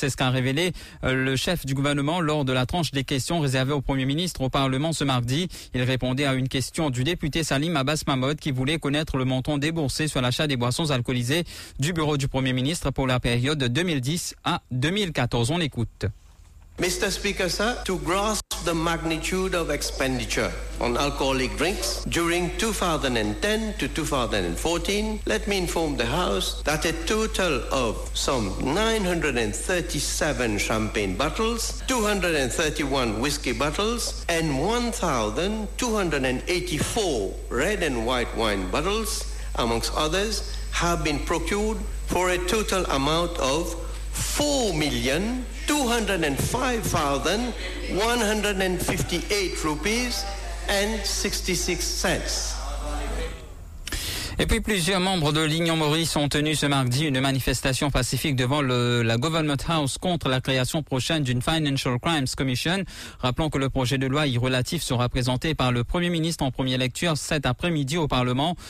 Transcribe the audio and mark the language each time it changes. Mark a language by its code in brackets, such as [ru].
[fr] C'est ce qu'a révélé le chef du gouvernement lors de la tranche des questions réservées au Premier ministre au Parlement ce mardi. Il répondait à une question du député Salim Abbas Mahmoud qui voulait connaître le montant déboursé sur l'achat des boissons alcoolisées du bureau du Premier ministre pour la période 2010 à 2014. On écoute. [en] Mr. Speaker, sir, to grasp the magnitude of expenditure on alcoholic drinks during 2010 to 2014, let me inform the House that a total of some 937 champagne bottles, 231 whiskey bottles, and 1,284 red and white wine bottles, amongst others, have been procured for a total amount of 4,205,158 rupees and 66 cents. [fr] Et puis plusieurs membres de l'Union Maurice ont tenu ce mardi une manifestation pacifique devant la Government House contre la création prochaine d'une Financial Crimes Commission. Rappelons que le projet de loi y relatif sera présenté par le Premier ministre en première lecture cet après-midi au Parlement.